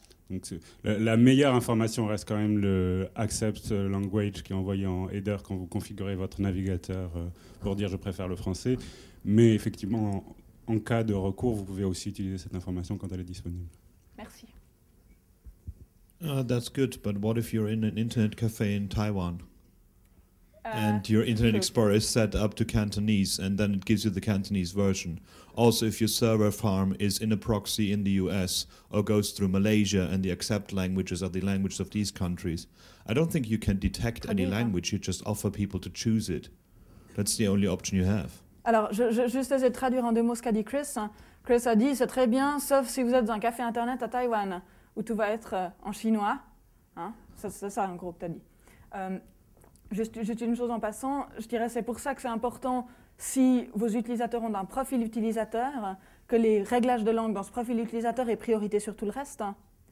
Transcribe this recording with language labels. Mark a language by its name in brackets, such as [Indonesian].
[French] Donc la meilleure information reste quand même le Accept Language qui est envoyé en header quand vous configurez votre navigateur pour dire je préfère le français, mais effectivement, en cas de recours, vous pouvez aussi utiliser cette information quand elle est disponible. Merci. [English] That's good, but what if you're in an internet cafe in Taiwan and your internet explorer is set up to Cantonese and then it gives you the Cantonese version? Also, if your server farm is in a proxy in the US or goes through Malaysia and the accept languages are the languages of these countries, I don't think you can detect any language. You just offer people to choose it. That's the only option you have. [French] Alors, je juste essayer de traduire en deux mots ce qu'a dit Chris. Chris a dit, c'est très bien, sauf si vous êtes dans un café internet à Taïwan, où tout va être en chinois. Hein? C'est ça, en gros, que tu as dit. Juste une chose en passant, je dirais, c'est pour ça que c'est important, si vos utilisateurs ont un profil utilisateur, que les réglages de langue dans ce profil utilisateur aient priorité sur tout le reste. Hein?